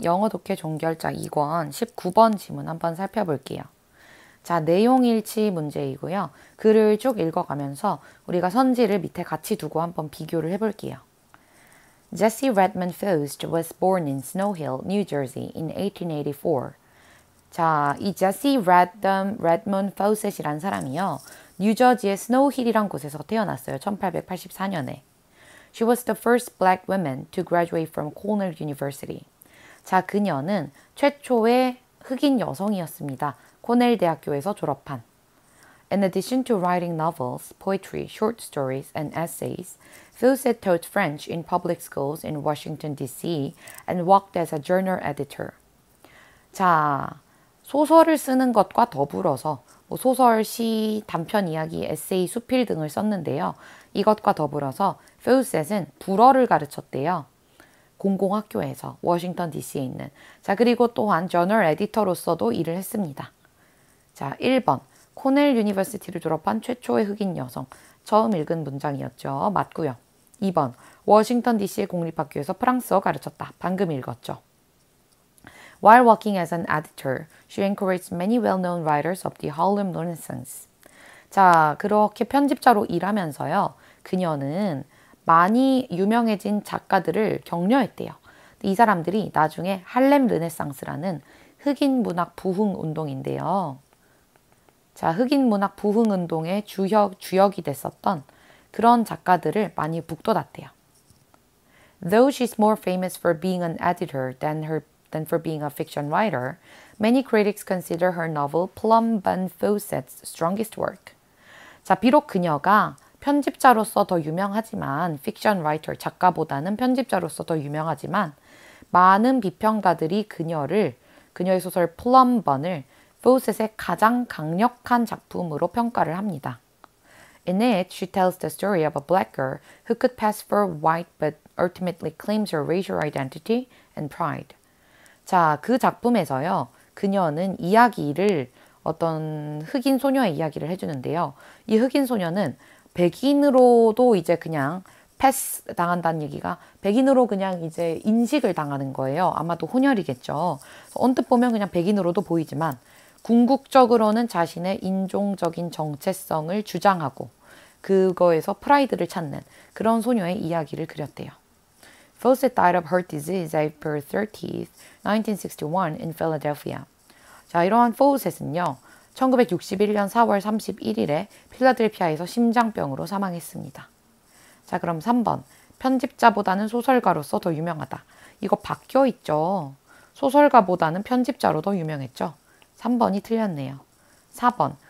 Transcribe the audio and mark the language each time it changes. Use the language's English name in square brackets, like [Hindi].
[Korean] 영어 독해 종결자 2권 19번 지문 한번 살펴볼게요. 자, 내용일치 문제이고요. 글을 쭉 읽어가면서 우리가 선지를 밑에 같이 두고 한번 비교를 해볼게요. [English] Jesse Redmond Foust was born in Snow Hill, New Jersey in 1884. [Korean] 자, 이 Jesse Redmond Foust이란 사람이요. 뉴저지의 스노우힐이란 곳에서 태어났어요. 1884년에. [English] She was the first black woman to graduate from Cornell University. [Korean] 자, 그녀는 최초의 흑인 여성이었습니다. 코넬 대학교에서 졸업한. [English] In addition to writing novels, poetry, short stories, and essays, Fawcett taught French in public schools in Washington, D.C. and worked as a journal editor. [Korean] 자, 소설을 쓰는 것과 더불어서 뭐 소설, 시, 단편 이야기, 에세이, 수필 등을 썼는데요. 이것과 더불어서 Fawcett은 불어를 가르쳤대요. 공공학교에서, 워싱턴 DC에 있는. 자, 그리고 또한 저널 에디터로서도 일을 했습니다. 자, 1번. 코넬 유니버시티를 졸업한 최초의 흑인 여성. 처음 읽은 문장이었죠. 맞고요. 2번. 워싱턴 DC의 공립학교에서 프랑스어 가르쳤다. 방금 읽었죠. [English] While working as an editor, she encouraged many well-known writers of the Harlem Renaissance. [Korean] 자, 그렇게 편집자로 일하면서요. 그녀는 많이 유명해진 작가들을 격려했대요. 이 사람들이 나중에 할렘 르네상스라는 흑인 문학 부흥 운동인데요. 자, 흑인 문학 부흥 운동의 주역이 됐었던 그런 작가들을 많이 북돋았대요. [English] Though she's more famous for being an editor than for being a fiction writer, many critics consider her novel Plum Bun Fawcett's strongest work. [Korean] 자, 비록 그녀가 편집자로서 더 유명하지만, 픽션 라이터, 작가보다는 편집자로서 더 유명하지만, 많은 비평가들이 그녀의 소설 플럼번을 포셋의 가장 강력한 작품으로 평가를 합니다. [English] In it, she tells the story of a black girl who could pass for white but ultimately claims her racial identity and pride. [Korean] 자, 그 작품에서요, 그녀는 이야기를, 어떤 흑인 소녀의 이야기를 해주는데요. 이 흑인 소녀는 백인으로도 이제 그냥 패스 당한다는 얘기가 백인으로 그냥 이제 인식을 당하는 거예요. 아마도 혼혈이겠죠. 언뜻 보면 그냥 백인으로도 보이지만 궁극적으로는 자신의 인종적인 정체성을 주장하고 그거에서 프라이드를 찾는 그런 소녀의 이야기를 그렸대요. [English] Fawcett died of heart disease April 30th, 1961 in Philadelphia. [Korean] 자, 이러한 Fawcett은요. 1961년 4월 31일에 필라델피아에서 심장병으로 사망했습니다. 자, 그럼 3번. 편집자보다는 소설가로서 더 유명하다. 이거 바뀌어 있죠. 소설가보다는 편집자로 더 유명했죠. 3번이 틀렸네요. 4번.